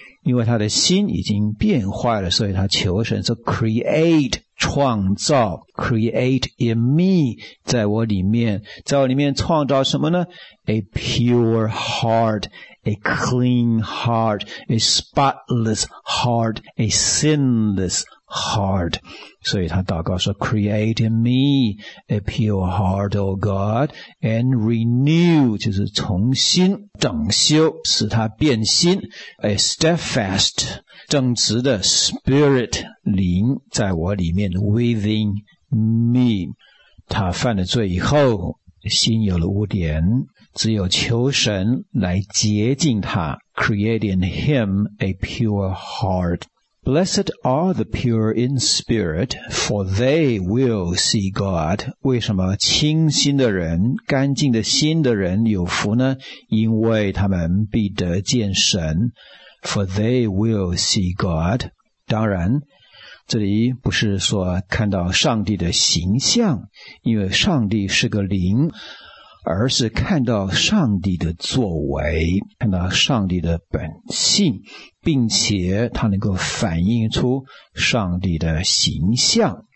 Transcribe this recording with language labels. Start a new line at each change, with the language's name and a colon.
Chinese: 因为他的心已经变坏了，所以他求神说
English: Create
Chinese: 创造 ，
English: create in me，
Chinese: 在我里面，在我里面创造什么呢 ？
English: A pure heart, a clean heart, a spotless heart, a sinless heart。
Chinese: 所以他祷告说
English: ，create in me a pure heart, O God, and renew，
Chinese: 就是重新整修，使它变新
English: ，a steadfast。
Chinese: 正直的
English: spirit
Chinese: 灵在我里面
English: within me，
Chinese: 他犯了罪以后心有了污点，只有求神来洁净他，
English: create in him a pure heart。 Blessed are the pure in spirit, for they will see God。
Chinese: 为什么清心的人，干净的心的人有福呢？因为他们必得见神。
English: For they will see God.
Chinese: 当然，这里不是说看到上帝的形象，因为上帝是个灵，而是看到上帝的作为，看到上帝的本性，并且他能够反映出上帝的形象。